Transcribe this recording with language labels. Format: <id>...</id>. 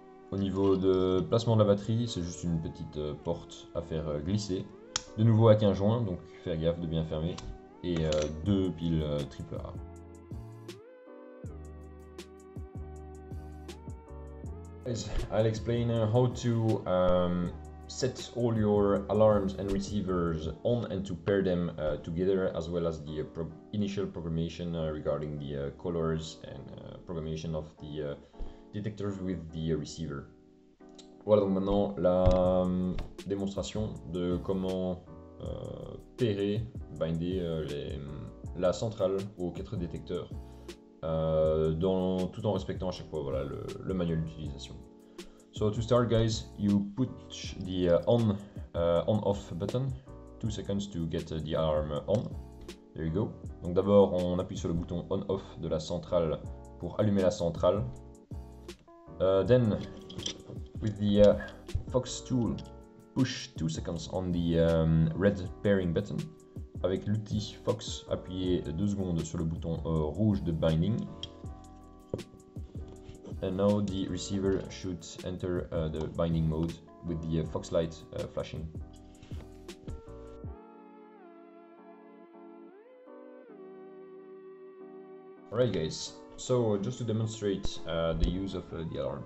<fr>Au niveau de placement de la batterie, c'est juste une petite porte à faire glisser. De nouveau avec un joint, donc faire gaffe de bien fermer, et deux piles triple A.</fr> <en>I'll explain how to set all your alarms and receivers on and to pair them together, as well as the initial programmation regarding the colors and programmation of the detectors with the receiver.</en> <fr>Voilà donc maintenant la démonstration de comment pairer, binder la centrale aux quatre détecteurs, tout en respectant à chaque fois, voilà, le manuel d'utilisation.</fr> <en>So to start, guys, you put the on-off button, 2 seconds to get the alarm on. There you go.</en> <fr>Donc d'abord, on appuie sur le bouton on-off de la centrale pour allumer la centrale.</fr> <en>Then, with the Fox tool, push 2 seconds on the red pairing button.</en> <fr>Avec l'outil Fox, appuyez 2 secondes sur le bouton rouge de binding.</fr> <en>And now the receiver should enter the binding mode with the Fox light flashing. Alright, guys. So just to demonstrate the use of the alarm.</en>